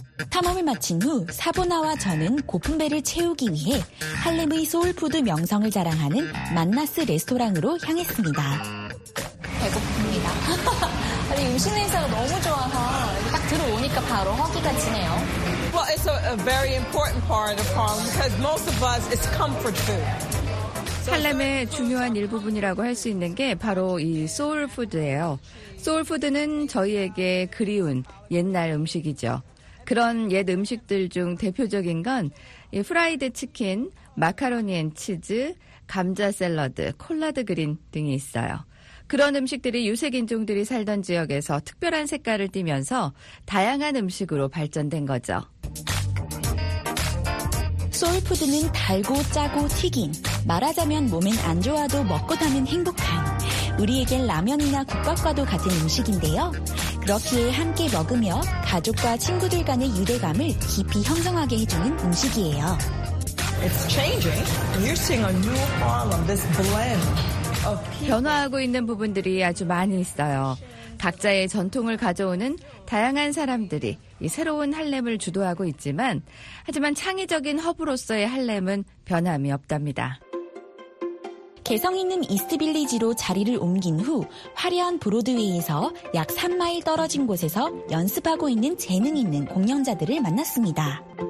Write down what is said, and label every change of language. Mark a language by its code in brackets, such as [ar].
[ko] 탐험을 마친 후 사보나와 저는 고픈 배를 채우기 위해 할렘의 소울푸드 명성을 자랑하는 만나스 레스토랑으로 향했습니다. 배고픕니다. 아니, 음식 냄새가 너무 좋아서 딱 들어오니까 바로 허기가 지네요. [en] Well, it's a very important part of Harlem because most of us it's comfort food. [ko] 할렘의 중요한 일부분이라고 할 수 있는 게 바로 이 소울푸드예요. 소울푸드는 저희에게 그리운 옛날 음식이죠. 그런 옛 음식들 중 대표적인 건 이 프라이드 치킨, 마카로니 앤 치즈, 감자 샐러드, 콜라드 그린 등이 있어요. 그런 음식들이 유색 인종들이 살던 지역에서 특별한 색깔을 띠면서 다양한 음식으로 발전된 거죠. 소울푸드는 달고 짜고 튀긴, 말하자면 몸엔 안 좋아도 먹고 나면 행복한, 우리에겐 라면이나 국밥과도 같은 음식인데요. 그렇기에 함께 먹으며 가족과 친구들 간의 유대감을 깊이 형성하게 해주는 음식이에요. [en] It's changing. You're seeing a new Harlem, this blend of people. [ko] 변화하고 있는 부분들이 아주 많이 있어요. 각자의 전통을 가져오는 다양한 사람들이 이 새로운 할렘을 주도하고 있지만 하지만 창의적인 허브로서의 할렘은 변함이 없답니다. 개성 있는 이스트 빌리지로 자리를 옮긴 후 화려한 브로드웨이에서 약 3마일 떨어진 곳에서 연습하고 있는 재능 있는 공연자들을 만났습니다.